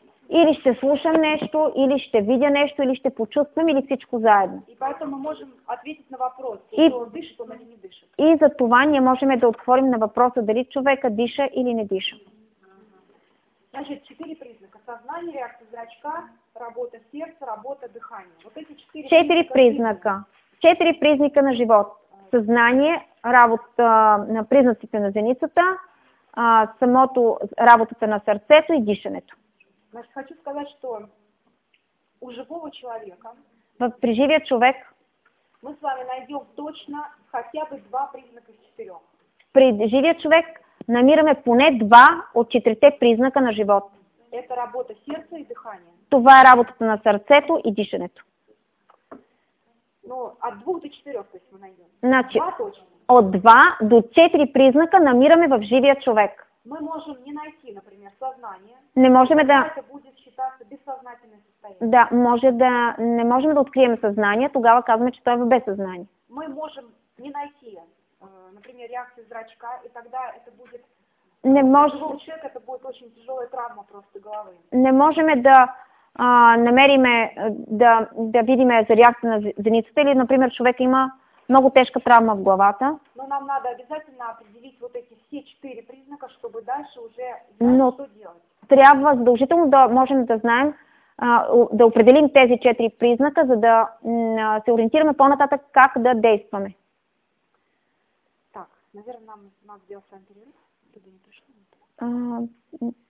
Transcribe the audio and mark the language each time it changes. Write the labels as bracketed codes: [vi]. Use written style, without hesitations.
[bg] или ще слушам нещо, или ще видя нещо, или ще почувствам, или всичко заедно. [ru] И поэтому можем ответить на вопрос, то дышит он или не дышит. [bg] И за това ние можем да отговорим на въпроса дали човека диша или не диша. [ru] Значит, четыре признака. Сознание, реакция зрачка, работа сердца, работа дыхания. Вот эти четыре, [bg] Четыре признака на живот. Сознание, работа на признаците на зеницата, самото работата на сърцето и дишането. [ru] Значит, хочу сказать, что у живого человека, [bg] при живия човек, [ru] мы с вами найдем точно хотя бы два признака из четырех. [bg] При живия човек намираме поне два от четирите признака на живот. [ru] Это работа сердца и дыхание. [bg] Това е работата на сърцето и дишането. [ru] Ну, от двух до четырех, то есть мы найдем. [bg] Значи, два точно. От два до четири признака намираме в живия човек. [ru] Мы можем не найти, например, сознание. [bg] Не можем да... [ru] Это будет считаться бессознательным состоянием. [bg] Да, може да... Не можем да открием съзнание, тогава казваме, че то е в безсъзнание. [ru] Мы можем не найти, например, реакцию зрачка, и тогда это будет... [bg] Не можем... [ru] У человека это будет очень тяжелая травма просто головы. [bg] Не можем да намериме, да видиме за реакция на зеницата, или, например, човек има много тежка травма в главата. [ru] Но нам надо обязательно определить вот эти все четыре признака, чтобы дальше уже знать, но что делать. [bg] Трябва задължително да можем да знаем, да определим тези четири признака, за да се ориентираме по-нататък как да действаме. [ru] Так, наверное, нам надо делать антирин, чтобы не пришло.